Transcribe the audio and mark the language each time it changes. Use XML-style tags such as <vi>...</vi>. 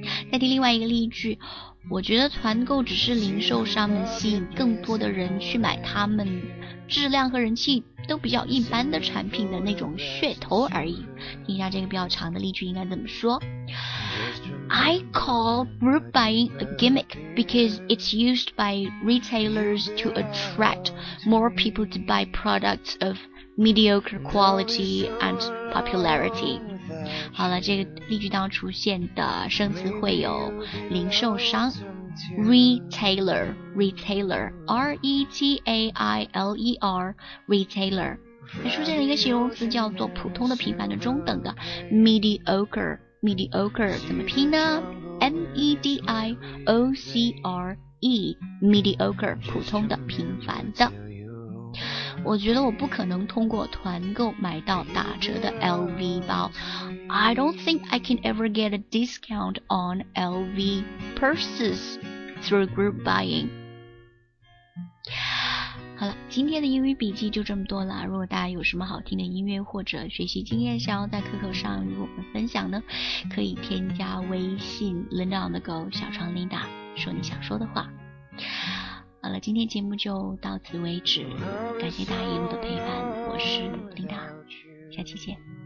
<zh>再听另外一个例句，我觉得团购只是零售商们吸引更多的人去买他们质量和人气都比较一般的产品的那种噱头而已。听一下这个比较长的例句应该怎么说。</zh> <en>I call group buying a gimmick because it's used by retailers to attract more people to buy products of mediocre quality and popularity.</en> <zh>好了，这个例句当中出现的生词会有零售商retailer, retailer, R-E-T-A-I-L-E-R, retailer. 还出现了一个形容词叫做普通的、平凡的、中等的 mediocre, mediocre, 怎么拼呢？ M-E-D-I-O-C-R-E, mediocre, 普通的、平凡的。我觉得我不可能通过团购买到打折的 LV 包。</zh> <en>I don't think I can ever get a discount on LV purses through group buying.</en> <zh>好了，今天的英语笔记就这么多了。如果大家有什么好听的音乐或者学习经验想要在课堂上与我们分享呢，可以添加微信 Linda on the go 小窗 Linda 说你想说的话。好了，今天节目就到此为止，感谢大家一路的陪伴，我是 Linda， 下期见。</zh>